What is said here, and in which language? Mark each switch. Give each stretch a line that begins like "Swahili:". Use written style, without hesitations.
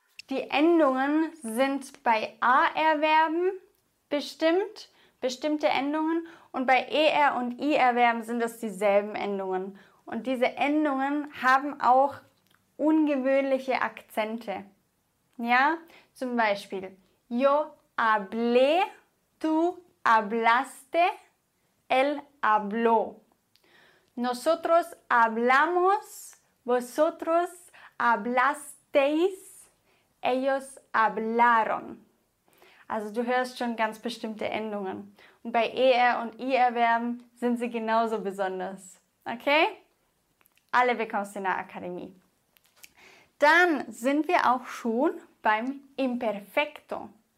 German: Die Endungen sind bei AR-Verben bestimmt, bestimmte Endungen, und bei ER- und IR-Verben sind es dieselben Endungen. Und diese Endungen haben auch ungewöhnliche Akzente. Ja, zum Beispiel,
Spanish: yo hablé, tú hablaste, él habló. Nosotros hablamos, vosotros hablasteis, ellos hablaron.
German: Also du hörst schon ganz bestimmte Endungen. Und bei ER- und IR-Verben sind sie genauso besonders. Okay? Alle bekommst du in der Akademie. Dann sind wir auch schon beim Imperfecto.